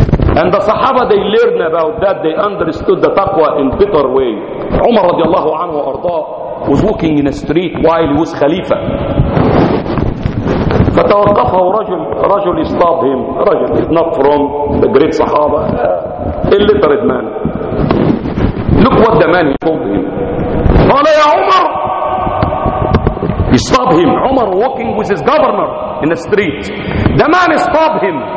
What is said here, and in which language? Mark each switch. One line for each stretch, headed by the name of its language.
English: And the Sahaba, they learned about that. They understood the taqwa in bitter way. Umar
Arabic: رضي الله عنه وأرضاه
English: was walking in a street while he was Khalifa.
Arabic: فتوقفه رجل رجل
English: stopped him. رجل is not from the great Sahaba. Illiterate man. Look what the man told him.
Arabic: قال يا عمر.
English: He stopped him. Umar walking with his governor in a street. The man stopped him.